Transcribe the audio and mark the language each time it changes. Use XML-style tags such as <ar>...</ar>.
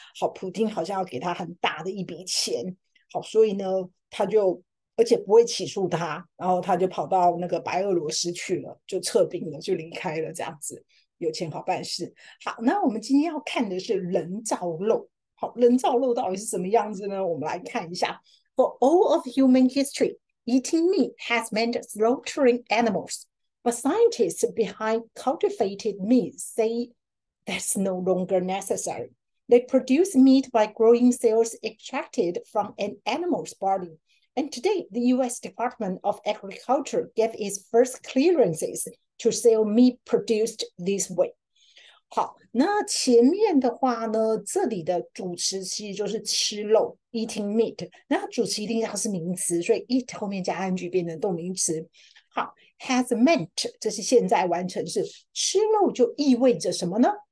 <zh>好，普京好像要给他很大的一笔钱。好，所以呢，他就。而且不会起诉他，然后他就跑到那个白俄罗斯去了，就撤兵了，就离开了，这样子有钱好办事。好，那我们今天要看的是人造肉。好，人造肉到底是什么样子呢？我们来看一下。</zh> <en>For all of human history, eating meat has meant slaughtering animals, but scientists behind cultivated meat say that's no longer necessary. They produce meat by growing cells extracted from an animal's body. And today, the US Department of Agriculture gave its first clearances to sell meat produced this way.</en> <zh>好，那前面的话呢，这里的主词其实就是吃肉，eating meat。那主词一定要是名词，所以 eat 后面加 ing 变成动名词。好，has meant 这是现在完成式，吃肉就意味着什么呢？</zh>